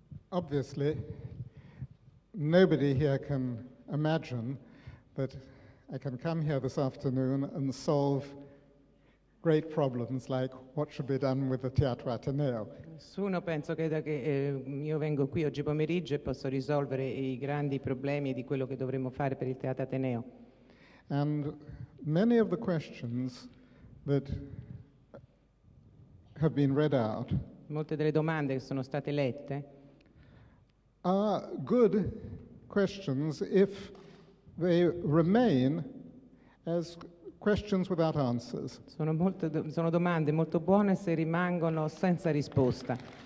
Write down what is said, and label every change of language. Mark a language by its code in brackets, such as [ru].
[en] Obviously, nobody here can imagine that I can come here this afternoon and solve great problems like what should be done with the Teatro Ateneo. [it] Nessuno penso creda che io vengo qui oggi pomeriggio e posso risolvere i grandi problemi di quello che dovremmo fare per il Teatro Ateneo. [en] And many of the questions that have been read out. [it] Molte delle domande che sono state lette. [en] Are good questions if they remain as questions without answers. [it] Sono domande molto buone se rimangono senza risposta.